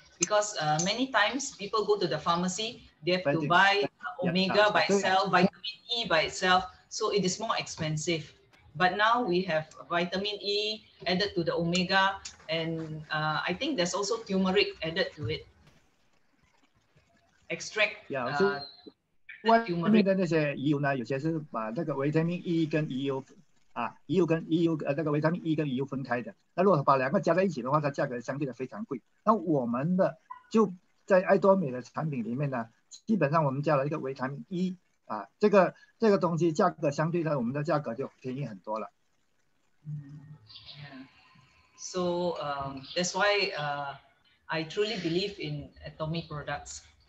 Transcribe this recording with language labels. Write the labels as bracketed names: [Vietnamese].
[English] Because many times people go to the pharmacy, they have to buy Omega by itself, vitamin E by itself, so it is more expensive. But now we have vitamin E added to the Omega, and I think there's also turmeric added to it. Extract. Yeah, so [Chinese] 外面的那些鱼油呢，有些是把那个维他命 E 跟鱼油，那个维他命 E 跟鱼油分开的。那如果把两个加在一起的话，它价格相对的非常贵。那我们的 就在爱多美的产品里面呢，基本上我们加了一个维他命 E 啊，这个东西价格相对的，我们的价格就便宜很多了。 [English] So that's why I truly believe in Atomy products.